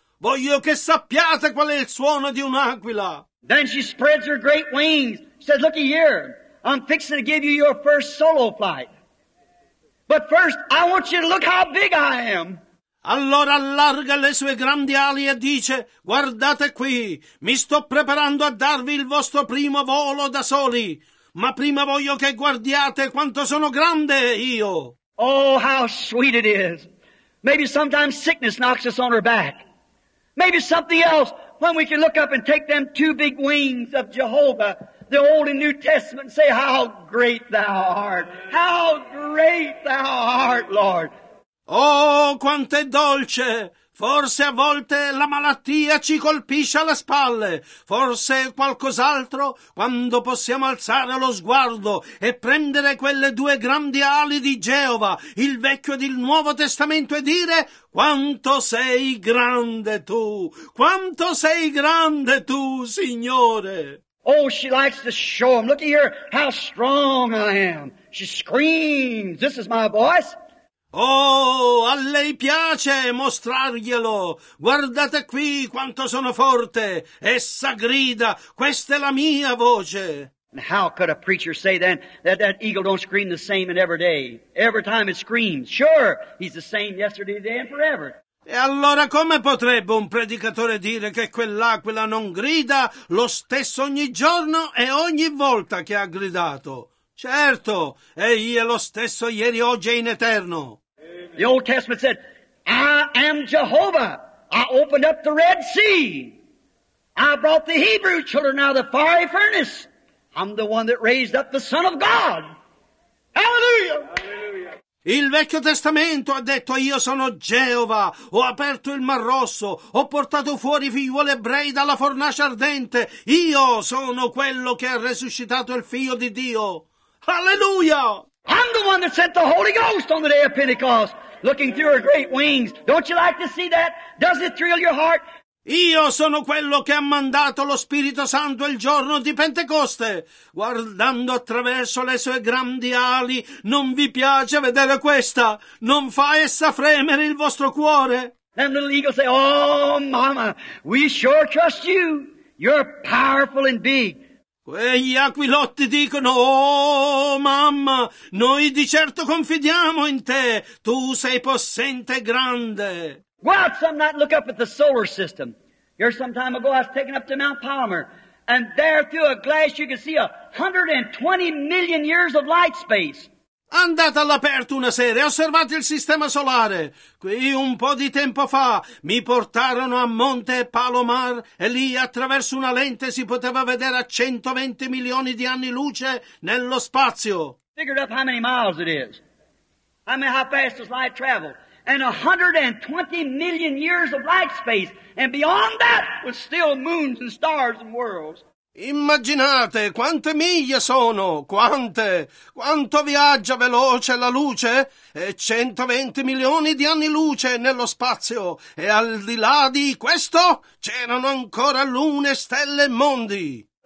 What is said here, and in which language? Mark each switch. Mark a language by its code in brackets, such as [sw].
[it] Voglio che sappiate qual è il suono di un'aquila. [en] Then she spreads her great wings. She says, looky here, I'm fixing to give you your first solo flight. But first, I want you to look how big I am. [it] Allora allarga le sue grandi ali e dice, guardate qui, mi sto preparando a darvi il vostro primo volo da soli, ma prima voglio che guardiate quanto sono grande io. [en] Oh, how sweet it is. Maybe sometimes sickness knocks us on our back. Maybe something else, when we can look up and take them two big wings of Jehovah, the Old and New Testament, and say, how great thou art, how great thou art, Lord. [it] Oh, quanto è dolce! Forse a volte la malattia ci colpisce alle spalle. Forse qualcos'altro, quando possiamo alzare lo sguardo e prendere quelle due grandi ali di Geova, il Vecchio ed il Nuovo Testamento, e dire quanto sei grande tu! Quanto sei grande tu, Signore! [en] Oh, she likes to show him. Look at here how strong I am. She screams, this is my voice. [it] Oh, a lei piace mostrarglielo. Guardate qui quanto sono forte. Essa grida, questa è la mia voce. [en] And how could a preacher say then that eagle don't scream the same in every day? Every time it screams, sure, he's the same yesterday, today, and forever. [it] E allora come potrebbe un predicatore dire che quell'aquila non grida lo stesso ogni giorno e ogni volta che ha gridato? Certo, egli è lo stesso ieri, oggi e in eterno. [en] The Old Testament said, I am Jehovah. I opened up the Red Sea. I brought the Hebrew children out of the fiery furnace. I'm the one that raised up the Son of God. Hallelujah! [it] Il Vecchio Testamento ha detto, io sono Geova, ho aperto il Mar Rosso, ho portato fuori i figliuoli ebrei dalla fornace ardente. Io sono quello che ha resuscitato il Figlio di Dio. Hallelujah! [en] I'm the one that sent the Holy Ghost on the day of Pentecost, looking through her great wings. Don't you like to see that? Does it thrill your heart? [it] Io sono quello che ha mandato lo Spirito Santo il giorno di Pentecoste, guardando attraverso le sue grandi ali. Non vi piace vedere questa? Non fa essa fremere il vostro cuore? [en] And the eagles say, oh, mama, we sure trust you. You're powerful and big. [it] Quegli aquilotti dicono, oh mamma, noi di certo confidiamo in te, tu sei possente e grande. [en] Go out some night and look up at the solar system. Here some time ago I was taken up to Mount Palmer, and there through a glass you could see 120 million years of light space. [it] Andate all'aperto una sera e osservate il sistema solare. Qui un po' di tempo fa mi portarono a Monte Palomar e lì attraverso una lente si poteva vedere a 120 milioni di anni luce nello spazio. [en] Figured up how many miles it is. I mean how fast does light travel. And 120 million years of light space. And beyond that was still moons and stars and worlds. [it] Immaginate quante miglia sono, quante, quanto viaggia veloce la luce, e 120 milioni di anni luce nello spazio, e al di là di questo c'erano ancora lune, stelle e mondi.